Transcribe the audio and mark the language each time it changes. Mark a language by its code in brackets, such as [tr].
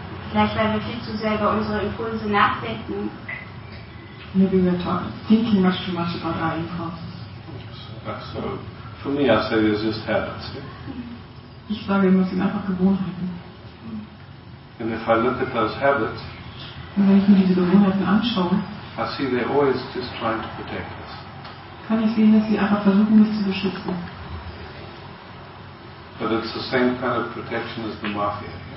[de] Vielleicht, weil wir viel zu sehr über unsere Impulse nachdenken. [en] Maybe we're thinking much too much about our impulses. So, for me, I say they're just habits. [de] Ich sage immer, sie sind einfach Gewohnheiten. [en] And if I look at those habits, [de] und wenn ich mir diese Gewohnheiten anschaue, [en] I see they're always just trying to protect us. [de] Kann ich sehen, dass sie einfach versuchen, mich zu beschützen. [en] But it's the same kind of protection as the mafia.